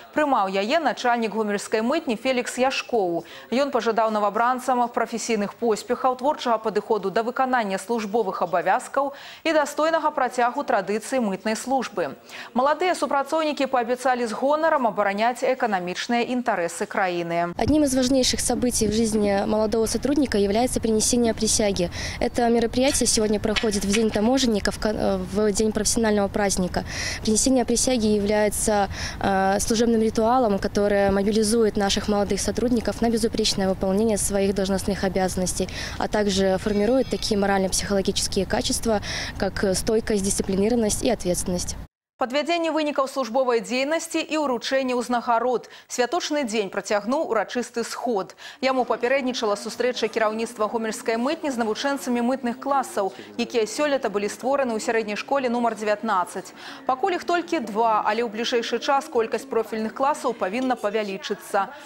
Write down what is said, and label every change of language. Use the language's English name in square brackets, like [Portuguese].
[Belarusian] Прымаў яе начальнік гомельскай мытні Фелікс Яшкоў. Ён пажадаў новабранцам прафесійных поспехаў, творчага падыходу да выканання службовых абавязкаў і дастойнага працягу традыцыі мытнай службы. Маладыя супрацоўнікі паабяцалі з гонарам абараняць эканамічныя інтарэсы краіны. [Russian] Одним из важнейших событий в жизни молодого сотрудника является принесение присяги. Это мероприятие сегодня проходит в день таможенников, в день профессионального праздника. Принесение присяги является служебным ритуалом, который мобилизует наших молодых сотрудников на безупречное выполнение своих должностных обязанностей, а также формирует такие морально-психологические качества, как стойкость, дисциплинированность и ответственность. [Belarusian] Падвядзенне вынікаў службовай дзейнасці і ўручэнне ўзнагарод. Святочны дзень працягнуў урачысты сход. Яму папярэднічала сустрэча кіраўніцтва гомельскай мытні з навучэнцамі мытных класаў, якія сёлета былі створаны ў сярэдняй школе нумар 19. Пакуль іх толькі два, але ў бліжэйшы час колькасць профільных класаў павінна павялічыцца.